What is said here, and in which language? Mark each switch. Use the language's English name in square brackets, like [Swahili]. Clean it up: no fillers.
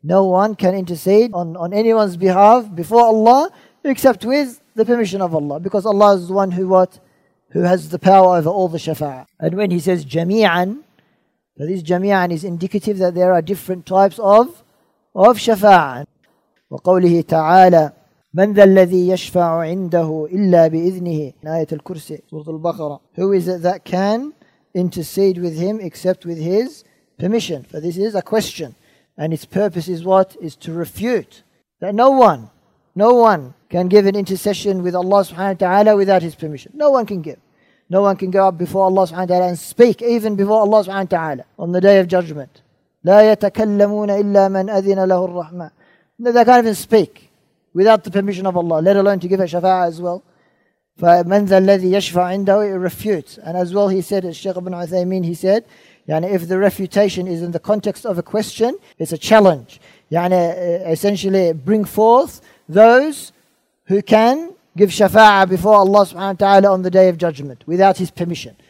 [English] No one can intercede on anyone's behalf before Allah except with the permission of Allah, because Allah is the one who has the power over all the shafa'ah. And when he says jami'an, so this jami'an is indicative that there are different types of shafa'ah. [Arabic] وقوله تعالى من ذا الذي يشفع عنده إلا بإذنه آية الكرسي سورة البقرة. [English] Who is it that can intercede with him except with his permission? For this is a question, and its purpose is what? Is to refute that no one can give an intercession with Allah subhanahu wa ta'ala without his permission. No one can give. No one can go up before Allah subhanahu wa ta'ala and speak, even before Allah subhanahu wa ta'ala on the day of judgment. [Arabic] لا يتكلمون إلا من أذن له الرحمن. [English] No, they can't even speak without the permission of Allah, let alone to give a shafa'ah as well. [Arabic] فَمَنْ ذَا الَّذِي يَشْفَعَ عِنْدَهُ [English] It refutes. And as well he said, as Shaykh ibn Uthaymeen, he said, [Arabic] يعني, [English] if the refutation is in the context of a question, it's a challenge. [Arabic] يعني, [English] essentially, bring forth those who can give shafa'ah before Allah subhanahu wa ta'ala on the day of judgment without his permission.